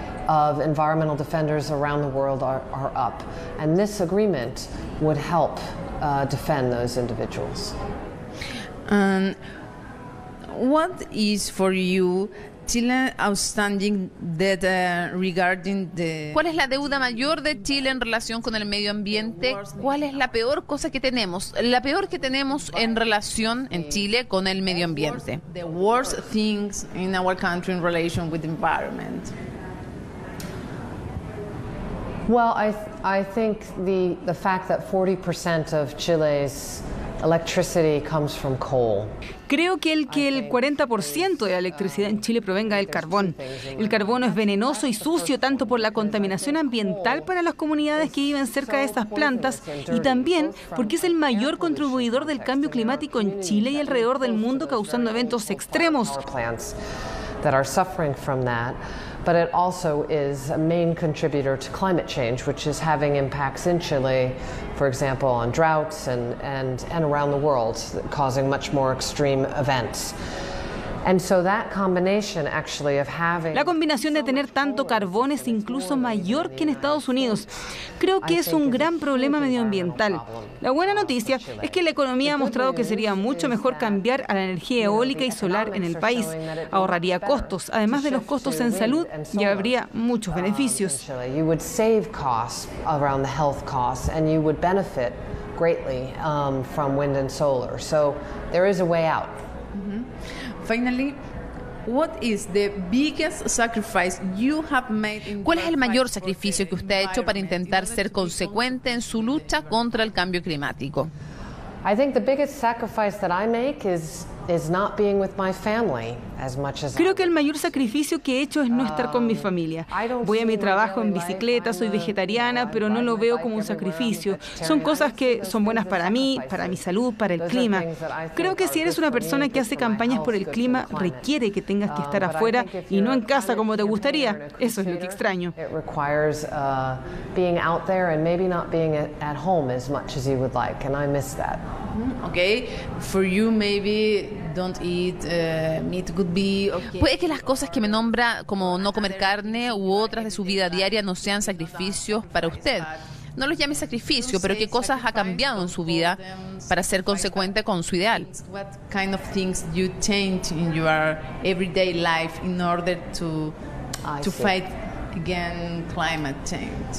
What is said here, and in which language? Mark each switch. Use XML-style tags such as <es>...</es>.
<en>Of environmental defenders around the world are up, and this agreement would help defend those individuals. What is for you Chile's outstanding debt regarding the?</en> <es>¿Cuál es la deuda mayor de Chile en relación con el medio ambiente? ¿Cuál es la peor cosa que tenemos? La peor que tenemos en relación en Chile con el medio ambiente.</es> <en>The worst things in our country in relation with the environment. Well, I think the fact that 40% of Chile's electricity comes from coal.</en> <es>Creo que el 40% de la electricidad en Chile provenga del carbón. El carbono es venenoso y sucio tanto por la contaminación ambiental para las comunidades que viven cerca de estas plantas y también porque es el mayor contribuidor del cambio climático en Chile y alrededor del mundo causando eventos extremos.</es> <en>That are suffering from that, but it also is a main contributor to climate change, which is having impacts in Chile, for example, on droughts and around the world, causing much more extreme events. And so that combination actually of having</en> <es>la combinación de tener tanto carbón es incluso mayor que en Estados Unidos. Creo que es un gran problema medioambiental. La buena noticia es que la economía ha mostrado que sería mucho mejor cambiar a la energía eólica y solar en el país. Ahorraría costos, además de los costos en salud, y habría muchos beneficios.</es> <en>You would save costs around the health costs and you would benefit greatly from wind and solar. So there is a way out. Finally, what is the biggest sacrifice you have made?</en> <es>¿Cuál es el mayor sacrificio que usted ha hecho para intentar ser consecuente en su lucha contra el cambio climático?</es> <en>I think the biggest sacrifice that I make is not being with my family as much as.</en> <es>Creo que el mayor sacrificio que he hecho es no estar con mi familia. Voy a mi trabajo en bicicleta, soy vegetariana, pero no lo veo como un sacrificio. Son cosas que son buenas para mí, para mi salud, para el clima. Creo que si eres una persona que hace campañas por el clima, requiere que tengas que estar afuera y no en casa como te gustaría. Eso es lo que extraño.</es> <en>It requires being out there and maybe not being at home as much as you would like, and I miss that. Okay, for you maybe don't eat meat could be okay.</en> <es>Puede que las cosas que me nombra como no comer carne u otras de su vida diaria no sean sacrificios para usted. No los llame sacrificio, pero qué cosas ha cambiado en su vida para ser consecuente con su ideal.</es> <en>What kind of things you change in your everyday life in order to fight against climate change?</en>